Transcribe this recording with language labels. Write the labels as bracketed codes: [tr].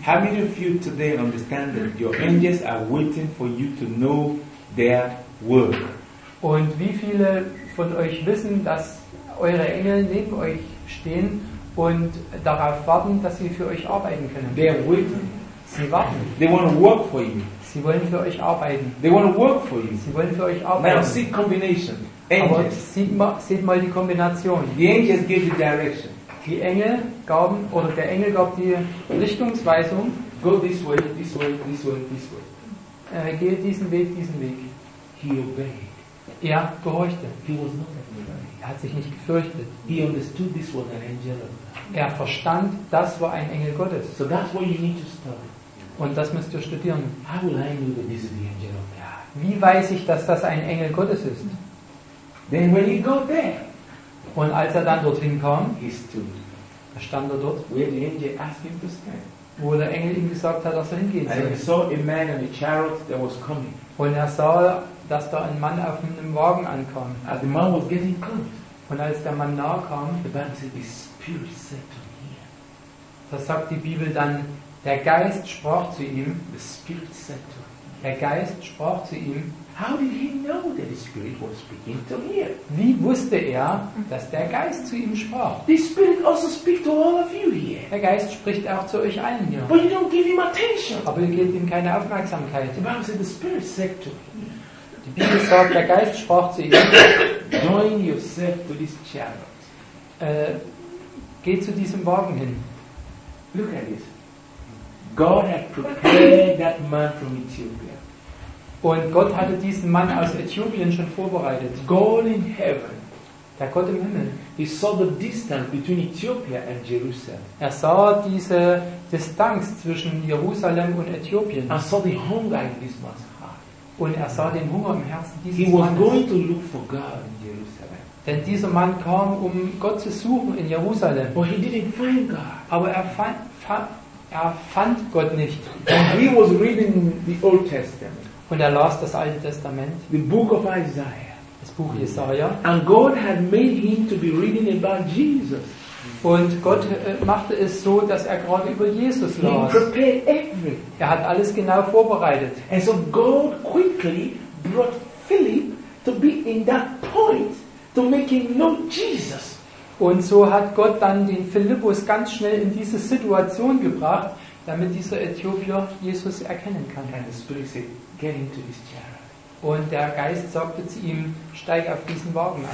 [en] How many of you today understand that your angels are waiting for you to know their work? [de] Und wie viele von euch wissen, dass eure Engel neben euch stehen und darauf warten, dass sie für euch arbeiten können. [en] They are waiting. [de] Sie warten. [en] They want to work for you. [de] Sie wollen für euch arbeiten. [en] They want to work for you. [de] Sie wollen für euch arbeiten. [en] Now see combination. [de] Angels. Aber seht mal die Kombination. [en] The angels give the direction. [de] Die Engel gaben, oder der Engel gab die Richtungsweisung. [en] Go this way, this way, this way, this way. [de] Gehe diesen Weg, diesen Weg. [en] He obeyed. [de] Er gehorchte. [en] He was not afraid. [de] Er hat sich nicht gefürchtet. [en] He understood this was an angel of God. [de] Er verstand, das war ein Engel Gottes. [en] So that's what you need to study. [de] Und das müsst ihr studieren. [en] How will I know that this is the angel of God? [de] Wie weiß ich, dass das ein Engel Gottes ist? [en] Then when he got there, [de] und als er dann dorthin kam, [en] he stood. [de] Da stand er dort, [en] where the angel asked him to stand. [de] Wo der Engel ihm gesagt hat, dass er hingehen soll. [en] And he saw a man in a chariot that was coming. [de] Und er sah, dass da ein Mann auf einem Wagen ankam. [en] And the man was getting close. [de] Und als der Mann nahe kam, [en] the Bible said, the Spirit said to him. [de] Da sagt die Bibel dann, der Geist sprach zu ihm. [en] The Spirit said to him. [de] Der Geist sprach zu ihm. [en] How did he know that the Spirit was speaking to him? [de] Wie wusste er, dass der Geist zu ihm sprach? [en] The Spirit also speaks to all of you here. [de] Der Geist spricht auch zu euch allen hier. [en] But you don't give him attention. [de] Aber ihr gebt ihm keine Aufmerksamkeit. [en] The Bible said the Spirit said to him. [de] Die Bibel sagt, der Geist sprach zu ihm. [en] Join yourself to this chariot. [de] Geh zu diesem Wagen hin. [en] Look at this. God had prepared that man from Ethiopia. [de] Und Gott hatte diesen Mann aus Äthiopien schon vorbereitet. [en] God in heaven. [de] Der Gott im Himmel. [en] He saw the distance between Ethiopia and Jerusalem. [de] Er sah diese Distanz zwischen Jerusalem und Äthiopien. [en] And saw the hunger in this man's heart. [de] Und er sah den Hunger im Herzen dieses Mannes. [en] He was going to look for God in Jerusalem. [de] Denn dieser Mann kam, um Gott zu suchen in Jerusalem. [en] But he didn't find God. [de] Aber er fand Gott nicht. [en] And he was reading the Old Testament. [de] Und er las das Alte Testament. [en] The book of Isaiah. [de] Das Buch Jesaja. [en] And God had made him to be reading about Jesus. [de] Und Gott machte es so, dass er gerade über Jesus las. [en] He prepared everything. [de] Er hat alles genau vorbereitet. [en] And so God quickly brought Philip to be in that point to make him know Jesus. [de] Und so hat Gott dann den Philippus ganz schnell in diese Situation gebracht, damit dieser Äthiopier Jesus erkennen kann. [en] And the Spirit said, get into this chariot. [de] Und der Geist sagte zu ihm, steig auf diesen Wagen ein.